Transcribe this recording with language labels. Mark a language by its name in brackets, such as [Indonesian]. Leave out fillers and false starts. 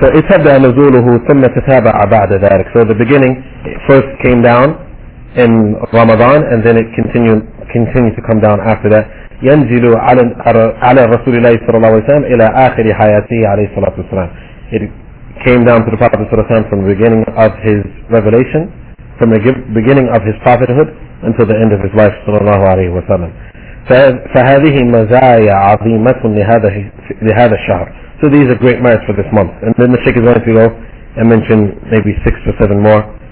[English] So it said that [Arabic] نزوله ثم تتابع بعد ذلك. [English] So the beginning, it first came down in Ramadan, and then it continued to come down after that. [Arabic] ينزل على رسول الله صلى الله عليه وسلم إلى آخر حياته عليه الصلاة والسلام. [English] It came down to the Prophet صلى الله عليه وسلم from the beginning of his revelation, from the beginning of his prophethood until the end of his life صلى الله عليه وسلم. [Arabic] فهذه مزايا عظيمة لهذا الشهر. [English] So these are great merits for this month. And then the Sheikh is going to go and mention maybe 6 or 7 more.